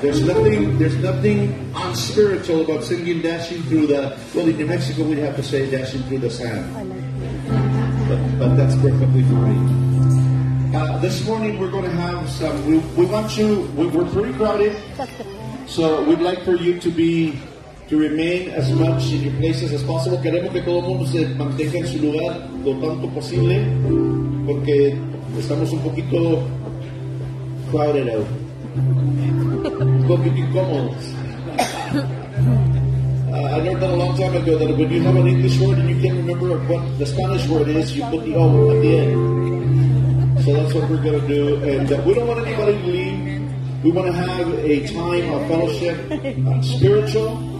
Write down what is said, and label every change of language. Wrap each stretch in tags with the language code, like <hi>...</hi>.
<en>There's nothing unspiritual about singing dashing through the, well, in New Mexico we have to say dashing through the sand. But that's perfectly fine. This morning we're going to have some, we're pretty crowded. So we'd like for you to remain as much in your places as possible.</en> <es>Queremos que todo el mundo se mantenga en su lugar lo tanto posible, porque estamos un poquito</es> <en>crowded out.</en> <es>Un poquito incómodos.</es> <en>I learned that a long time ago that when you have an English word and you can't remember what the Spanish word is, you put the O at the end. So that's what we're going to do. And we don't want anybody to leave. We want to have a time of fellowship, spiritual.</en>